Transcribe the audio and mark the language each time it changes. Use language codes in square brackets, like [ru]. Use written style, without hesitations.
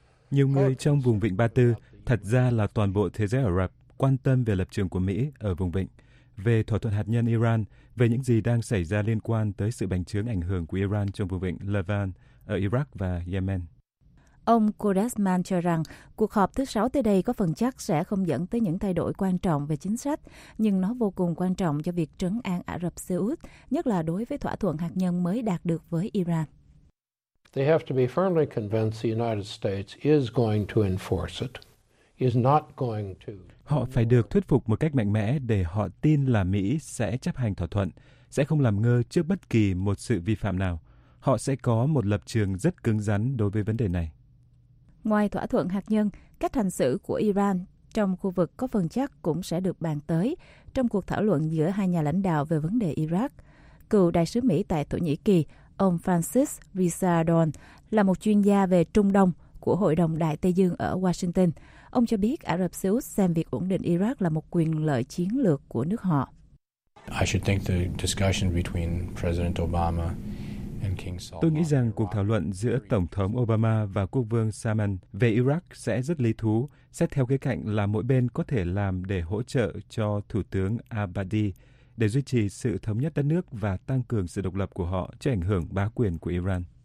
[vi] Nhiều người trong vùng vịnh Ba Tư, thật ra là toàn bộ thế giới Ả Rập, quan tâm về lập trường của Mỹ ở vùng vịnh, về thỏa thuận hạt nhân Iran, về những gì đang xảy ra liên quan tới sự bành trướng ảnh hưởng của Iran trong vùng vịnh Levant ở Iraq và Yemen. Ông Kodesman cho rằng cuộc họp thứ sáu tới đây có phần chắc sẽ không dẫn tới những thay đổi quan trọng về chính sách, nhưng nó vô cùng quan trọng cho việc trấn an Ả Rập Xê Út, nhất là đối với thỏa thuận hạt nhân mới đạt được với Iran. [en] They have to be firmly convinced the United States is going to enforce it, is not going to. [vi] Họ phải được thuyết phục một cách mạnh mẽ để họ tin là Mỹ sẽ chấp hành thỏa thuận, sẽ không làm ngơ trước bất kỳ một sự vi phạm nào. Họ sẽ có một lập trường rất cứng rắn đối với vấn đề này. Ngoài thỏa thuận hạt nhân, cách hành xử của Iran trong khu vực có phần chắc cũng sẽ được bàn tới trong cuộc thảo luận giữa hai nhà lãnh đạo về vấn đề Iraq. Cựu đại sứ Mỹ tại Thổ Nhĩ Kỳ, ông Francis Risardon, là một chuyên gia về Trung Đông của Hội đồng Đại Tây Dương ở Washington. Ông cho biết Ả Rập Xê Út xem việc ổn định Iraq là một quyền lợi chiến lược của nước họ. [en] I should think the discussion between President Obama. [vi] Tôi nghĩ rằng cuộc thảo luận giữa Tổng thống Obama và quốc vương Salman về Iraq sẽ rất lý thú, xét theo khía cạnh là mỗi bên có thể làm để hỗ trợ cho Thủ tướng Abadi để duy trì sự thống nhất đất nước và tăng cường sự độc lập của họ trước ảnh hưởng bá quyền của Iran.